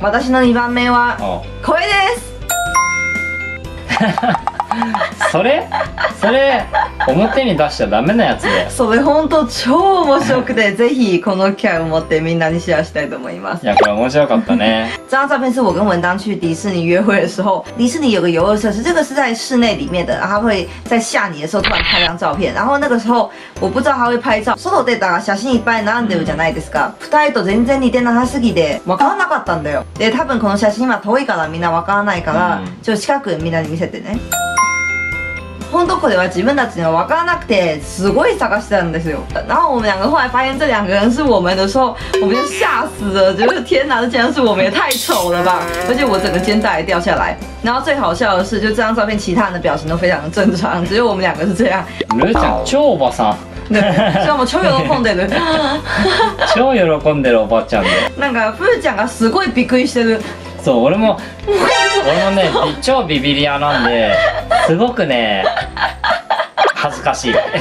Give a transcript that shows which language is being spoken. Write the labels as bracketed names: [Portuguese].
[Japanese] 私の2番目はこれです。それ表に出しちゃダメなやつで、それほんと超面白くて、ぜひこの機会を持ってみんなにシェアしたいと思います。いや、これ面白かったね。 [Chinese] 这张照片是我跟文章去迪士尼约会的时候，迪士尼有个游乐设施，这个是在室内里面的，然后他会在下雨的时候突然拍张照片，然后那个时候我不知道他会拍照， [Japanese] 外出たら写真いっぱい並んでるじゃないですか。二人と全然似てなさすぎて分からなかったんだよ。で、多分この写真は遠いからみんな分からないから、ちょっと近くみんなに見せてね。本当これは自分たちには分からなくてすごい探してたんですよ。 [Chinese] 然后我们两个后来发现这两个人是我们的时候，我们就吓死了，就是天哪，这竟然是我们，也太丑了吧！而且我整个肩带掉下来。然后最好笑的是，就这张照片，其他人的表情都非常的正常，只有我们两个是这样。 [Japanese] ルーちゃん超おばさん。しかも超喜んでる。超喜んでるおばちゃんで。なんかふーちゃんがすごいびっくりしてる。そう、俺もね、超ビビリ屋なんですごくね恥ずかしい。